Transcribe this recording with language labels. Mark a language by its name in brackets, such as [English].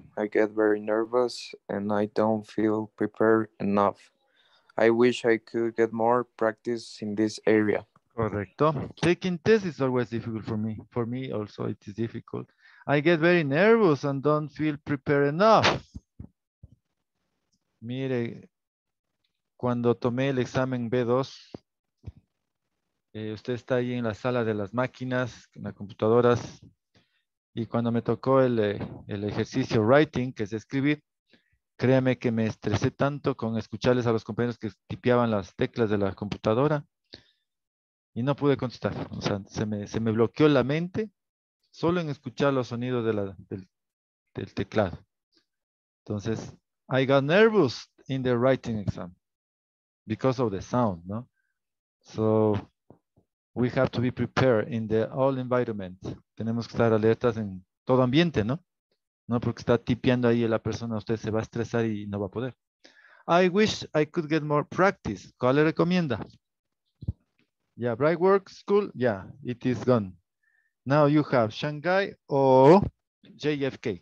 [English] I get very nervous and I don't feel prepared enough. I wish I could get more practice in this area. Correcto. Taking test is always difficult for me. For me also it is difficult. I get very nervous and don't feel prepared enough. [Spanish] Mire, cuando tomé el examen B2, usted está ahí en la sala de las máquinas, en las computadoras, y cuando me tocó el ejercicio writing, que es escribir, créame que me estresé tanto con escucharles a los compañeros que tipeaban las teclas de la computadora, y no pude contestar. O sea, se me bloqueó la mente solo en escuchar los sonidos del teclado. [English] Entonces, I got nervous in the writing exam because of the sound, no? So, we have to be prepared in the all environment. [Spanish] Tenemos que estar alertas en todo ambiente, ¿no? No porque está tipeando ahí la persona, usted se va a estresar y no va a poder. [English] I wish I could get more practice. [Spanish] ¿Cuál le recomienda? [English] Yeah, Bright Work School. Yeah, it is gone. Now you have Shanghai o JFK.